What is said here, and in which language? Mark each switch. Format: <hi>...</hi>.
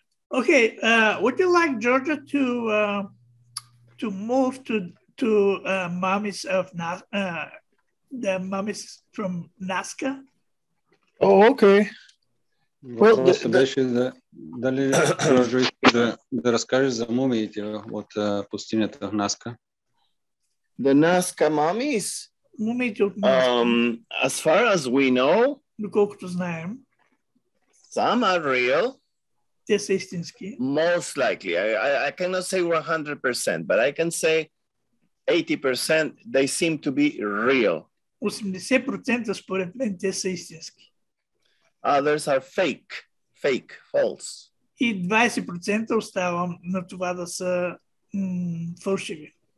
<en>Okay, would you like Georgia to move to mummies of the mummies from Naska? Oh, okay.</en> <bg>Well, дали Джорджо иска да разкаже за мумиите от пустинята в Наска?</bg> <en>The Naska mummies?</en> <bg>Мумиите от Наска.</bg> <en>As far as we know,</en> <bg>доколкото знаем,</bg> <en>some are real.</en> <bg>Те са истински.</bg> <en>Most likely. I cannot say 100%, but I can say 80% they seem to be real.</en> <bg>80% според мен те са истински.</bg> <en>Others are fake, false.</en> <bg>И 20% оставам на това да са фалшиви.</bg>